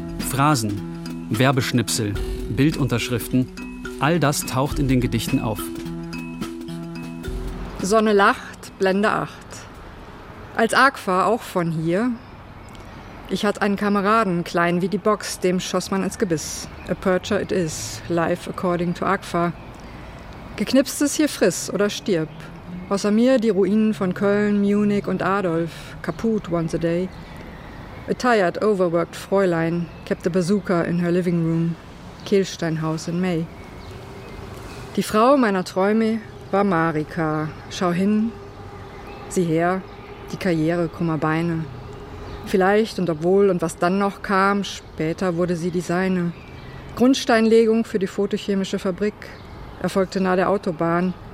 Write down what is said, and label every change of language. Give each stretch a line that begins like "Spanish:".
German: Phrasen, Werbeschnipsel, Bildunterschriften, all das taucht in den Gedichten auf. Sonne lacht, Blende 8. Als Aqua auch von hier. Ich hatte einen Kameraden, klein wie die Box, dem schoss man ins Gebiss.
English: A Percher it is, life according to Agfa.
German: Geknipstes hier friss oder stirb. Außer mir die Ruinen von Köln, Munich und Adolf,
English: kaputt once a day. A tired, overworked Fräulein kept the bazooka in her living room, Kehlsteinhaus in May.
German: Die Frau meiner Träume war Marika. Schau hin, sieh her, die Karriere, Kummerbeine. Vielleicht und obwohl und was dann noch kam, später wurde sie die Seine. Grundsteinlegung für die photochemische Fabrik erfolgte nahe der Autobahn.